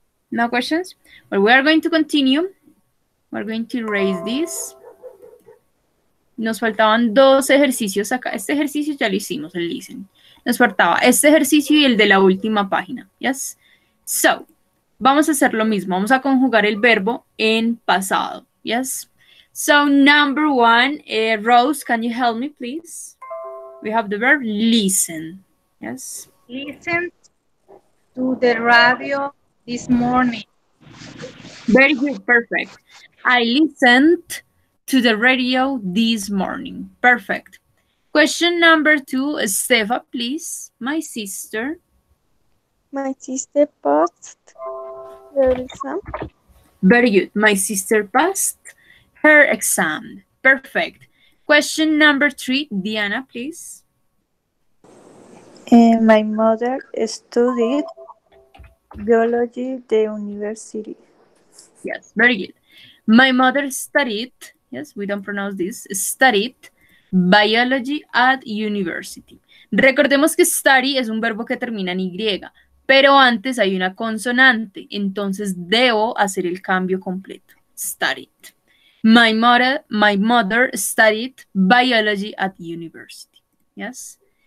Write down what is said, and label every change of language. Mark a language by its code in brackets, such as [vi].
[en] No questions? Well, we are going to continue. We're going to erase this. [es] Nos faltaban dos ejercicios acá. Este ejercicio ya lo hicimos, el listen. Nos faltaba este ejercicio y el de la última página. Yes? So, vamos a hacer lo mismo. Vamos a conjugar el verbo en pasado. Yes? [en] So number one, Rose, can you help me, please? We have the verb listen. Yes. Listen to the radio this morning. Very good. Perfect. I listened to the radio this morning. Perfect. Question number two, Steva, please. My sister. My sister passed her exam. Very good. My sister passed her exam. Perfect. Question number three, Diana, please. My mother studied biology at the university. Yes, very good. My mother studied, yes, we don't pronounce this, studied biology at university. [es] Recordemos que study es un verbo que termina en Y, pero antes hay una consonante, entonces debo hacer el cambio completo. [en] Studied. My mother studied biology at university. Yes.